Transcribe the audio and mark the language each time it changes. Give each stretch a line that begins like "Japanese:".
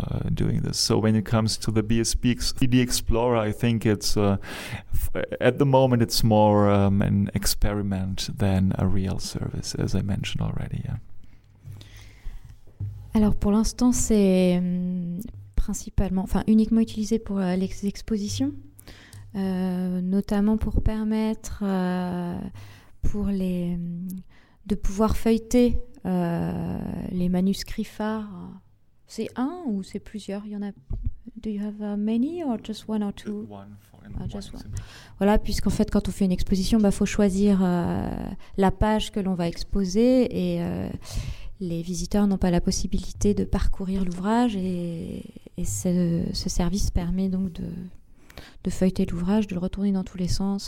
English: doing this. So when it comes to the BSB CD Explorer, I think it's at the moment it's more an experiment than a real service, as I mentioned already. Yeah.
French: Alors pour l'instant, c'est principalement, enfin uniquement utilisé pour les expositions, notamment pour permettre pour les de pouvoir feuilleter les manuscrits phares. C'est un ou c'est plusieurs? Il y en a.
English: Do you have many or just one or two? One.
French: Voilà, puisqu'en fait, quand on fait une exposition, bah, faut choisir la page que l'on va exposer et les visiteurs n'ont pas la possibilité de parcourir l'ouvrage et ce service permet donc de feuilleter l'ouvrage, de le retourner dans tous les sens.